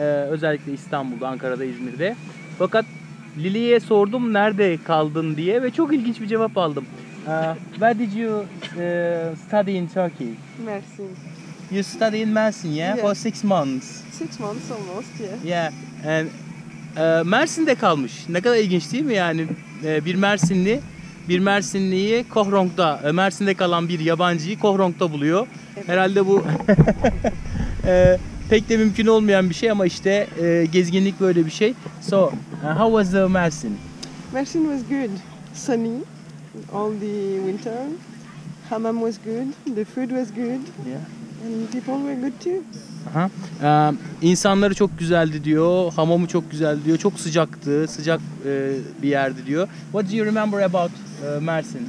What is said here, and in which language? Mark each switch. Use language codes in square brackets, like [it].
[tr] Özellikle İstanbul'da, Ankara'da, İzmir'de. Fakat Lili'ye sordum nerede kaldın diye ve çok ilginç bir cevap aldım. [en] Where did you study in Turkey? Mersin. You study in Mersin, yeah? Yeah. For 6 months. 6 months almost, yeah. Yeah. And [tr] Mersin'de kalmış. Ne kadar ilginç değil mi yani? Bir Mersinli. Bir Mersinli'yi Koh Rong'da, Mersin'de kalan bir yabancıyı Koh Rong'da buluyor. Evet. Herhalde bu pek de mümkün olmayan bir şey ama işte gezginlik böyle bir şey. [en] So, how was the Mersin? Mersin was good. Sunny all the winter. Hamam was good. The food was good. Yeah. And people were good too. Aha. [tr] İnsanları çok güzeldi diyor, hamamı çok güzeldi diyor, çok sıcaktı, sıcak bir yerdi diyor. [en] What do you remember about Mersin?